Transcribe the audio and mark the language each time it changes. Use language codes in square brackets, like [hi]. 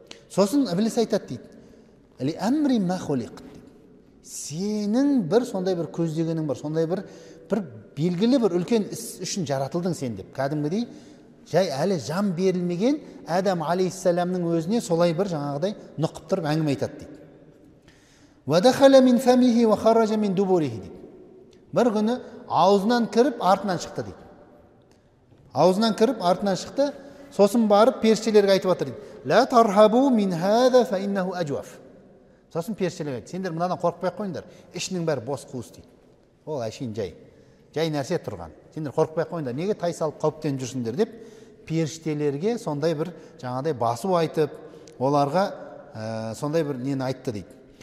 [kk] Сосын Иблис айтады дейді: [ar] "Ли амри ма хулиқт". [kk] Сенің бір сондай бір көздегенің бар, сондай бір белгілі бір үлкен іс үшін жаратылдың сен деп. Кәдімгідей жай әлі жан берілмеген Адам алейхиссаламның өзіне солай бір жаңағыдай нұқып тұрып әңгіме айтады дейді. [ar] وَدَخَلَ مِنْ فَمِهِ وَخَرَّجَ مِنْ دُبُورِهِ [kk] дейді. Бір күні аузынан кіріп артынан шықты дейді. Аузынан кіріп артынан шықты, сосын барып періштелерге айтып отыр дейді: [ar] لَا تَرْهَبُوا مِنْ هَذَا فَإِنَّهُ أَجْوَفُ. [kk] Сосын періштелерге айтты: сендер мынадан қорықпай қойыңдар, ішінің бәрі бос қуыс дейді. Ол әшейін жай нәрсе тұрған. Сендер қорықпай қойыңдар, неге тайсалып қауіптен жүрсіңдер деп періштелерге сондай бір жаңағыдай басу айтып, оларға сондай бір нені айтты дейді.